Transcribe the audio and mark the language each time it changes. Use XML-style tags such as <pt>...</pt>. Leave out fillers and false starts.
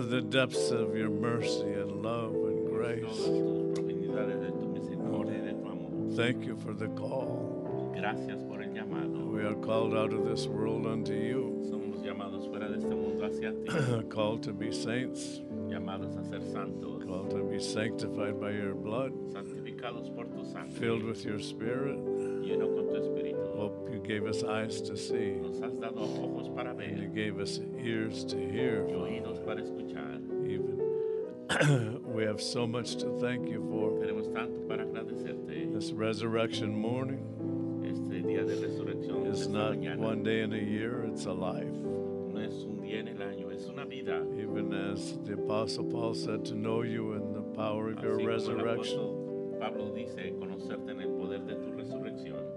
<en>Depths of your mercy and love and grace. Thank you for the call.</en> <es>Gracias por el llamado.</es> <en>We are called out of this world unto you.</en> <es>Somos llamados fuera de este mundo hacia ti.</es> <en>Called to be saints.</en> <es>Llamados a ser santos.</es> <en>Called to be sanctified by your blood.</en> <es>Santificados por tu sangre.</es> <en>Filled with your spirit.</en> <es>Lleno con tu espíritu.</es> <en>Hope you gave us eyes to see.</en> <es>Nos has dado ojos para ver.</es> <en>And you gave us ears to hear.</en> <es>Y oídos para escuchar.</es> <en>We have so much to thank you for.</en> <es>Tenemos tanto para agradecerte.</es> <en>This resurrection morning,</en> <es>este día de resurrección,</es> <en>is not one day in a year, it's a life.</en> <es>No es un día en el año, es una vida.</es> <en>Even as the Apostle Paul said, to know you in the power of</en> <es>así</es> <en>your resurrection.</en> <es>Pablo dice, conocerte en el poder de tu resurrección.</es>